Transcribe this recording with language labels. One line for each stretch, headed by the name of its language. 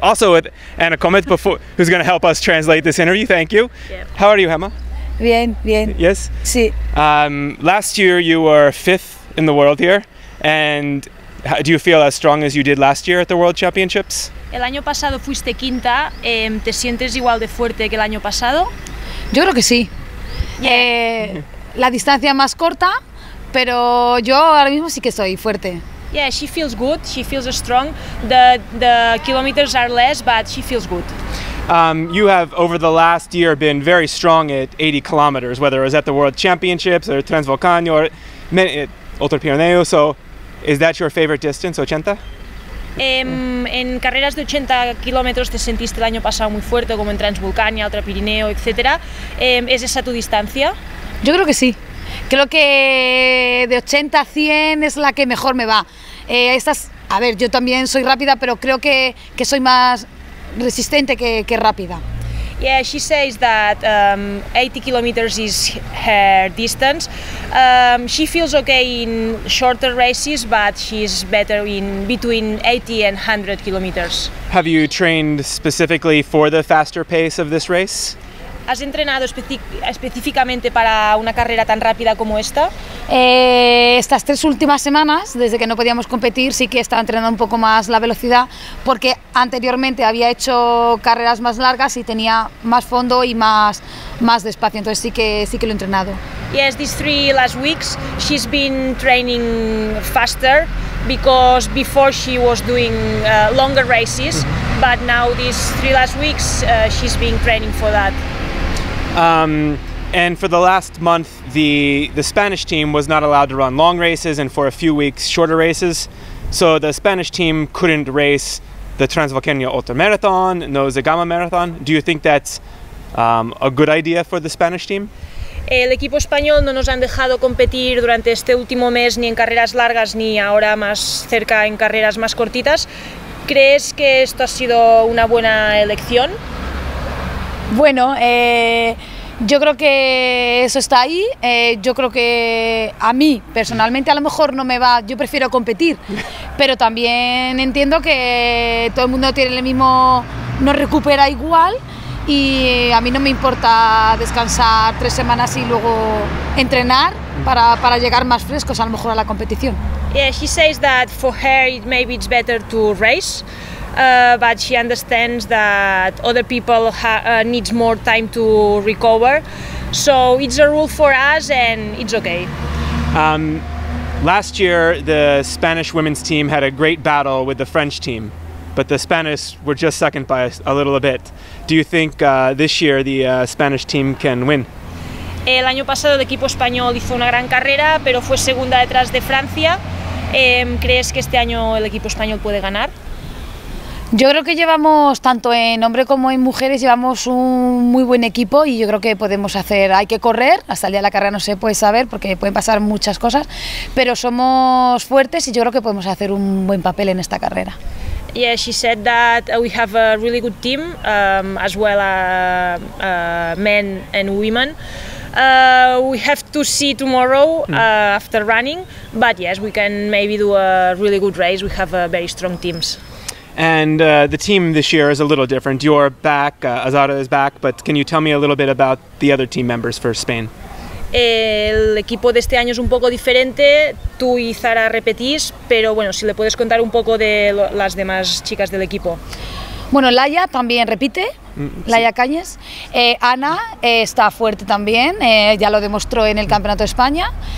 English: Also with Anna Comet, before, who's going to help us translate this interview. Thank you. Yep. How are you, Gemma?
Spanish: Bien, bien.
English: Yes?
Spanish: Si.
English: Last year you were fifth in the world here. And how, do you feel as strong as you did last year at the World Championships?
Spanish: El año pasado fuiste quinta. ¿Te sientes igual de fuerte que el año pasado? Yo creo que sí.
English: Yeah.
Spanish: La distancia más corta, pero yo ahora mismo sí que soy fuerte.
English: Yeah, she feels good, she feels strong. The kilometers are less, but she feels good. You have, over the last year, been very strong at 80 kilometers, whether it was at the World Championships or Transvolcano or Ultra Pirineo. So is that your favorite distance, 80?
Spanish: En carreras de 80 kilómetros te sentiste el año pasado muy fuerte, como en Transvulcania, Ultra Pirineo, etc. ¿Es esa tu distancia? Yo creo que sí. Creo que de 80 a 100 es la que mejor me va. A ver, yo también soy rápida, pero creo que soy más resistente que rápida.
English: Yeah, she says that 80 kilometers is her distance. She feels okay in shorter races, but she's better in between 80 and 100 kilometers. Have you trained specifically for the faster pace of this race?
Spanish: ¿Has entrenado específicamente para una carrera tan rápida como esta? Estas tres últimas semanas, desde que no podíamos competir, sí que he estado entrenando un poco más la velocidad, porque anteriormente había hecho carreras más largas y tenía más fondo y más despacio, entonces sí que lo he entrenado.
English: Yes, these three last weeks she's been training faster because before she was doing longer races, but now these three last weeks she's been training for that. And for the last month, the Spanish team was not allowed to run long races, and for a few weeks, shorter races. So the Spanish team couldn't race the Transvolcania Ultra Marathon, no Zagama Marathon. Do you think that's a good idea for the Spanish team?
Spanish: El equipo español no nos han dejado competir durante este último mes ni en carreras largas ni ahora más cerca en carreras más cortitas. ¿Crees que esto ha sido una buena elección? Bueno, yo creo que eso está ahí. Yo creo que a mí personalmente a lo mejor no me va, yo prefiero competir, pero también entiendo que todo el mundo tiene el mismo, no recupera igual y a mí no me importa descansar tres semanas y luego entrenar para llegar más frescos a lo mejor a la competición.
English: Yeah, she says that for her maybe it's better to race. But she understands that other people need more time to recover. So it's a rule for us and it's okay. Last year, the Spanish women's team had a great battle with the French team, but the Spanish were just second by a little bit. Do you think this year the Spanish team can win?
Spanish: El año pasado el equipo español hizo una gran carrera, pero fue segunda detrás de Francia. ¿Crees que este año el equipo español puede ganar? Yo creo que llevamos, tanto en hombre como en mujeres, llevamos un muy buen equipo y yo creo que podemos hacer, hay que correr, hasta el día de la carrera no se puede saber porque pueden pasar muchas cosas, pero somos fuertes y yo creo que podemos hacer un buen papel en esta carrera.
English: Yeah, she said that we have a really good team, as well as men and women. We have to see tomorrow after running, but yes, we can maybe do a really good race, we have very strong teams. And the team this year is a little different. You're back, Azara is back, but can you tell me a little bit about the other team members for Spain?
Spanish: El equipo de este año es un poco diferente. Tú y Zara repetís, pero bueno, si le puedes contar un poco de las demás chicas del equipo. Bueno, Laia también repite, sí. Laia Cañes. Ana está fuerte también, ya lo demostró en el Campeonato de España.